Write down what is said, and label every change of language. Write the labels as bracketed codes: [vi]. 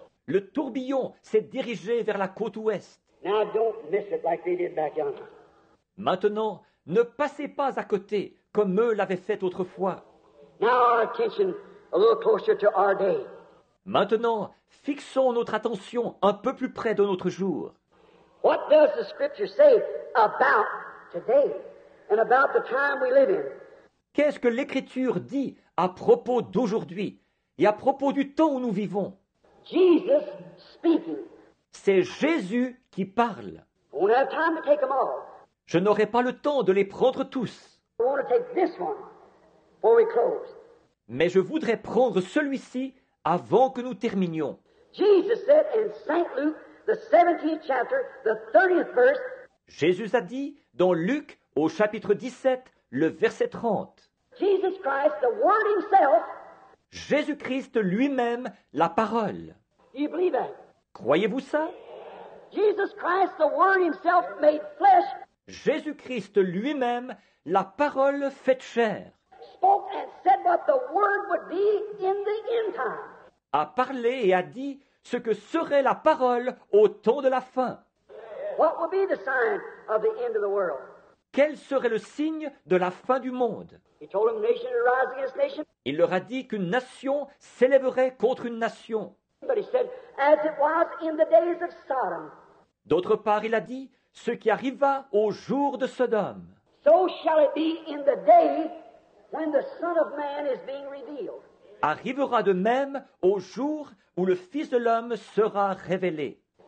[fr] Le tourbillon s'est dirigé vers la côte ouest. [en] Now don't miss it like they did back yonder. [fr] Maintenant, ne passez pas à côté comme eux l'avaient fait autrefois. [en] Now our attention a little closer to our day. [fr] Maintenant, fixons notre attention un peu plus près de notre jour. [en] What does the scripture say about today and about the time we live in? [fr] Qu'est-ce que l'écriture dit à propos d'aujourd'hui et à propos du temps où nous vivons? [en] Jesus speaking. [fr] C'est Jésus qui parle. [en] I won't have time to take them all. [fr] Je n'aurai pas le temps de les prendre tous. [en] I want to take this one before we close. [fr] Mais je voudrais prendre celui-ci avant que nous terminions. [en] Jesus said in Saint Luke, the 17th chapter, the 30th verse. [fr] Jésus a dit dans Luc au chapitre 17, le verset 30. [en] Jesus Christ, the Word himself. [fr] Jésus-Christ lui-même, la parole. [en] You believe that? [fr] Croyez-vous ça? [en] Jesus Christ, the Word himself made flesh. [fr] Jésus-Christ lui-même, la parole faite chair. [en] Spoke and said what the Word would be in the end time. [fr] A parlé et a dit ce que serait la parole au temps de la fin. [en] What would be the sign of the end of the world? [fr] Quel serait le signe de la fin du monde? [en] He told them nation to rise against nation. [fr] Il leur a dit qu'une nation s'élèverait contre une nation. [en] But he said, as it was in the days of Sodom. [fr] D'autre part, il a dit ce qui arriva au jour de Sodome. [en] So shall it be in the day when the Son of Man is being revealed. [fr] Arrivera de même au jour où le Fils de l'homme sera révélé.